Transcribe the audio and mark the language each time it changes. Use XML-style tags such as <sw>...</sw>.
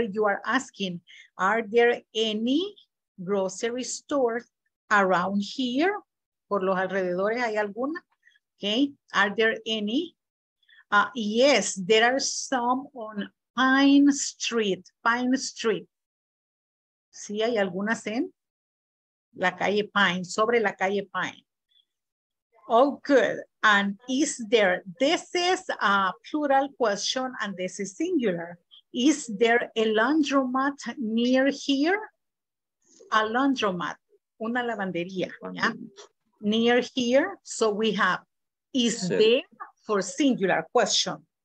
<en>You are asking, are there any grocery stores around here?</en> <es>Por los alrededores, ¿hay alguna?</es> <en>Okay, are there any? Yes, there are some on Pine Street, Pine Street.</en> <es>Sí, hay algunas en la calle Pine, sobre la calle Pine.</es> <en>Oh, good. And is there, this is a plural question and this is singular. Is there a laundromat near here? A laundromat,</en> <es>una lavandería,</es> <en>yeah? Near here, so we have, is there for singular question.</en>